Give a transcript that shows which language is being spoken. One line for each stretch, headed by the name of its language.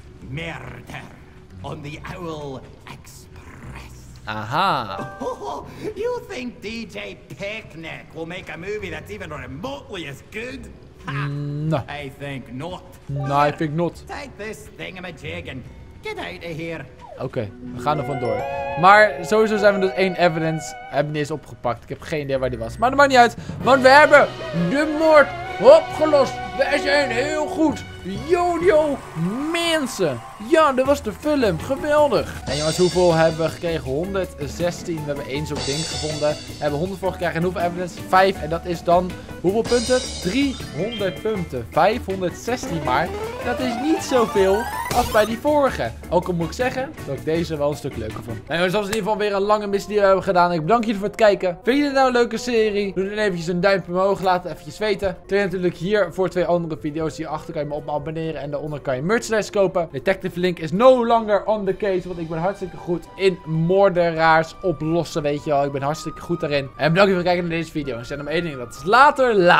English: Murder on the Owl Express. Aha. Oh, you think DJ Picnic will make a movie that's even remotely as good? No. I think not. No, I think not. Take this thingamajig and get out of here.
Dutch: Oké, we gaan er vandoor. Maar sowieso zijn we dus één evidence. Hebben niet eens opgepakt. Ik heb geen idee waar die was. Maar dat maakt niet uit. Want we hebben de moord opgelost. We zijn heel goed. Yo, mensen. Ja, dat was de film. Geweldig. En jongens, hoeveel hebben we gekregen? 116. We hebben één zo'n ding gevonden. We hebben 100 voor gekregen. En hoeveel evidence? 5. En dat is dan hoeveel punten? 300 punten. 516 maar. Dat is niet zoveel als bij die vorige. Ook al moet ik zeggen dat ik deze wel een stuk leuker vond. En jongens, dat was in ieder geval weer een lange missie die we hebben gedaan. Ik bedank jullie voor het kijken. Vind je dit nou een leuke serie? Doe dan eventjes een duimpje omhoog. Laat het eventjes weten. Tot je natuurlijk hier voor twee andere video's. Hierachter kan je me op abonneren. En daaronder kan je merchandise kopen.
English: Detective Link is no longer on the case.
Dutch: Want ik ben hartstikke goed in moordenaars oplossen. Weet je wel. Ik ben hartstikke goed daarin. En bedankt voor het kijken naar deze video. En zeg hem één ding. Dat is later.